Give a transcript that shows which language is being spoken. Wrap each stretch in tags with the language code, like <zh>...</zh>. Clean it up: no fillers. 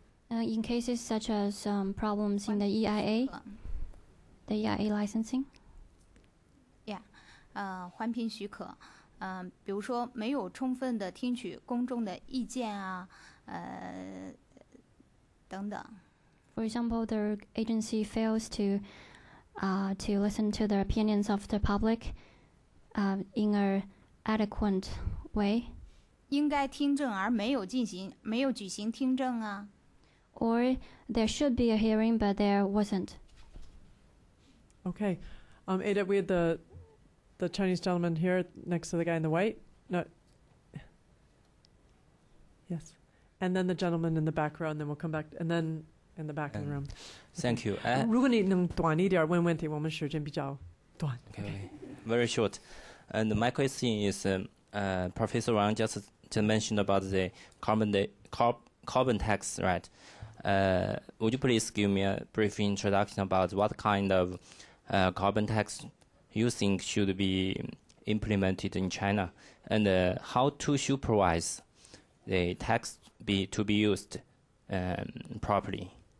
<en>In cases such as problems in the EIA, the EIA licensing?</en> <zh>Yeah, 环评许可，比如说没有充分的听取公众的意见啊，等等。</zh> <en>For example, the agency fails to listen to the opinions of the public in an adequate way.</en> <zh>应该听证而没有举行听证啊。</zh> <en>Or there should be a hearing, but there wasn't. Okay. Ada, we had the Chinese gentleman here next to the guy in the white. No. Yes. And then the gentleman in the back row, and then we'll come back. And then in the back of the room. Thank you.</en> <zh>如果你能短一点问问题，我们时间比较短。</zh> <en>Okay. Very short. And my question is, Professor Wang just mentioned about the carbon tax, right? Would you please give me a brief introduction about what kind of carbon tax you think should be implemented in China, and how to supervise the tax to be used properly.</en>